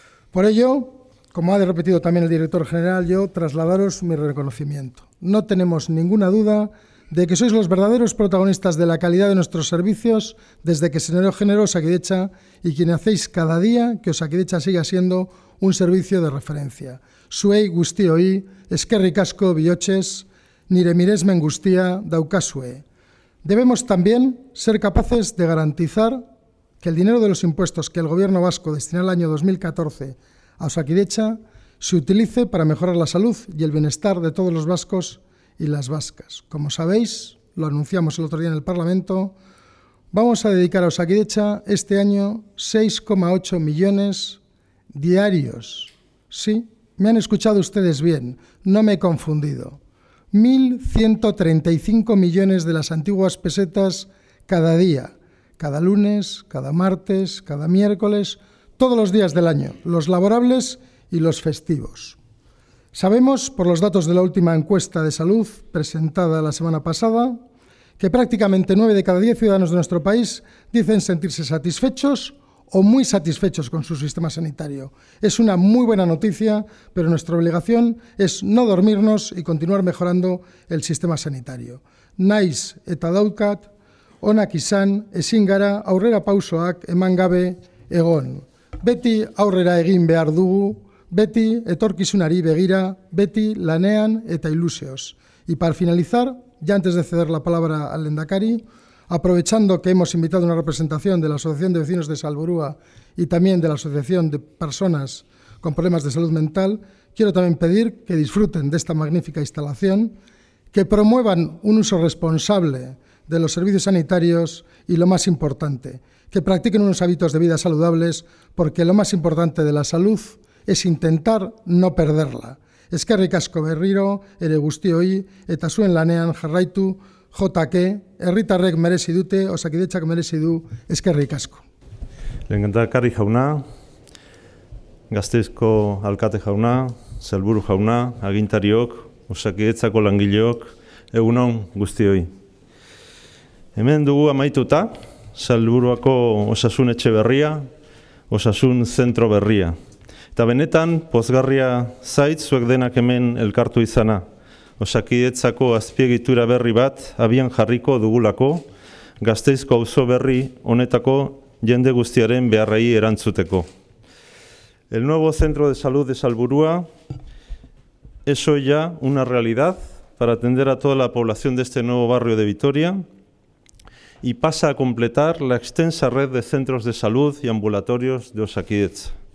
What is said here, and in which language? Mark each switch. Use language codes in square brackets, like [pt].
[es] Por ello, como ha repetido también el director general, yo trasladaros mi reconocimiento. No tenemos ninguna duda de que sois los verdaderos protagonistas de la calidad de nuestros servicios desde que se generó Osakidetza y quien hacéis cada día que Osakidetza siga siendo un servicio de referencia. [eu] Zuei guztioi, eskerrik asko bihotzez, nire miresmen guztia daukazue. [es] Debemos también ser capaces de garantizar que el dinero de los impuestos que el Gobierno vasco destina al año 2014 a Osakidetza se utilice para mejorar la salud y el bienestar de todos los vascos y las vascas. Como sabéis, lo anunciamos el otro día en el Parlamento, vamos a dedicar a Osakidetza este año 6,8 millones diarios. Sí, me han escuchado ustedes bien, no me he confundido. 1.135 millones de las antiguas pesetas cada día, cada lunes, cada martes, cada miércoles, todos los días del año, los laborables y los festivos. Sabemos, por los datos de la última encuesta de salud presentada la semana pasada, que prácticamente 9 de cada 10 ciudadanos de nuestro país dicen sentirse satisfechos o muy satisfechos con su sistema sanitario. Es una muy buena noticia, pero nuestra obligación es no dormirnos y continuar mejorando el sistema sanitario. [eu] Naiz eta daukat, onak izan, ezin gara, aurrera pausoak, eman gabe, egon. Beti aurrera egin behar dugu, beti etorkizunari begira, beti lanean eta ilusioz. [es] Y para finalizar, ya antes de ceder la palabra al lehendakari, aprovechando que hemos invitado una representación de la Asociación de Vecinos de Salburua y también de la Asociación de Personas con Problemas de Salud Mental, quiero también pedir que disfruten de esta magnífica instalación, que promuevan un uso responsable de los servicios sanitarios y, lo más importante, que practiquen unos hábitos de vida saludables, porque lo más importante de la salud es intentar no perderla. [eu] Eskerrik asko berriro, ere guztioi, eta zuen lanean jarraitu, JK, herritarrek merezi dute, Osakidetzak merezi du, eskerrik asko. Lehendakari jauna, Gasteizko alkate jauna, Salburu jauna, agintariok, Osakidetzako langileok, egunon guztioi. Hemen dugu amaituta, Salburuako osasun etxe berria, osasun zentro berria. Eta benetan, pozgarria zait zuek denak hemen elkartu izana. Osakidetzako azpiegitura berri bat abian jarriko dugulako, Gasteizko auzo berri honetako jende guztiaren beharrei erantzuteko. [es] El nuevo Centro de Salud de Salburua es hoy ya una realidad para atender a toda la población de este nuevo barrio de Vitoria y pasa a completar la extensa red de centros de salud y ambulatorios de Osakidetza.